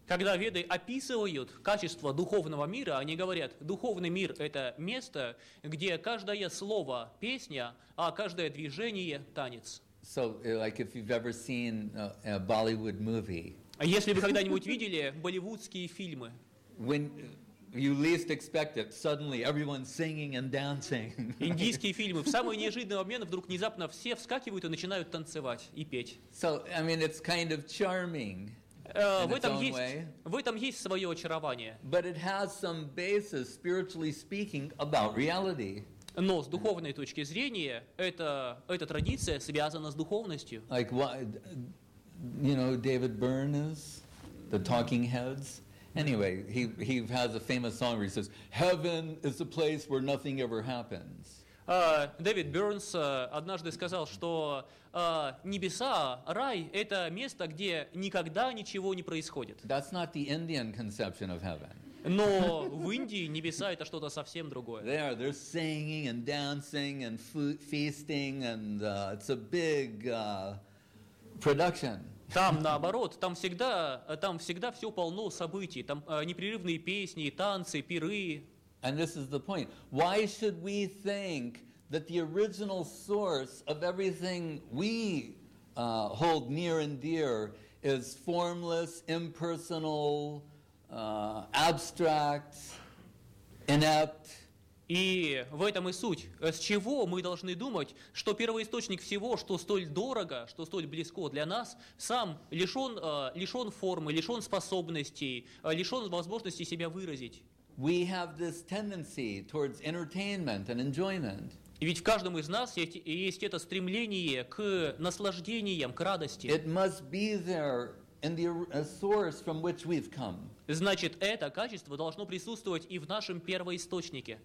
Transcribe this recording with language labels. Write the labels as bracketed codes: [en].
[ru] Когда веды описывают качество духовного мира, они говорят, духовный мир — это место, где каждое слово — песня, а каждое движение — танец. [en] So, like, if you've ever seen a Bollywood movie... [ru] Если вы когда-нибудь видели болливудские фильмы... [en] When you least expect it, suddenly everyone's singing and dancing. [ru] Индийские фильмы. В самый неожиданный момент вдруг внезапно все вскакивают и начинают танцевать и петь. [en] So, I mean, it's kind of charming [ru] В этом есть свое очарование. [en] But it has some basis, spiritually speaking, about reality. [ru] Но с духовной точки зрения эта традиция связана с духовностью. [en] Like, what, you know, David Byrne is? The Talking Heads? Anyway, he has a famous song where he says, "Heaven is a place where nothing ever happens." [ru] David Burns однажды сказал, что небеса, рай, это место, где никогда ничего не происходит. [en] That's not the Indian conception of heaven. [ru] Но в Индии небеса это что-то совсем другое. [en] There, they're singing and dancing and feasting, and it's a big production. [ru] Там наоборот, там всегда все полно событий, там непрерывные песни, танцы, пиры. [en] And this is the point. Why should we think that the original source of everything we hold near and dear is formless, impersonal, abstract, inept? [ru] И в этом и суть. С чего мы должны думать, что первоисточник всего, что столь дорого, что столь близко для нас, сам лишен формы, лишен способностей, лишен возможности себя выразить? [en] We have this tendency towards entertainment and enjoyment. [ru] И ведь в каждом из нас есть это стремление к наслаждениям, к радости. [en] It must be there in the source from which we've come. [ru] Значит, это качество должно присутствовать и в нашем первоисточнике.